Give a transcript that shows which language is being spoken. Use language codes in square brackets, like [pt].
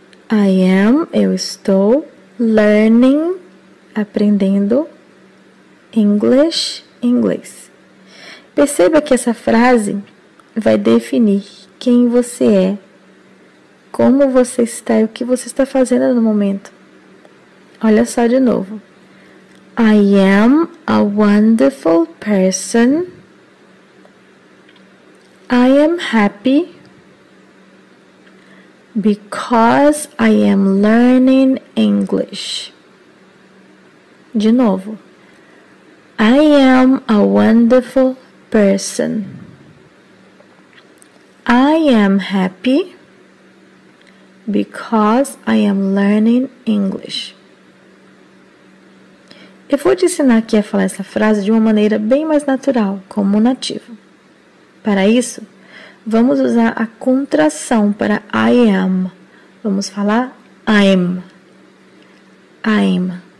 [en] I am, [pt] eu estou, [en] learning, [pt] aprendendo, [en] English, [pt] inglês. Perceba que essa frase vai definir quem você é, como você está e o que você está fazendo no momento. Olha só de novo. [en] I am a wonderful person. I am happy. Because I am learning English. [pt] De novo. [en] I am a wonderful person. I am happy because I am learning English. [pt] Eu vou te ensinar aqui a falar essa frase de uma maneira bem mais natural, como nativo. Para isso, vamos usar a contração para [en] I am. [pt] Vamos falar [en] I'm. I'm.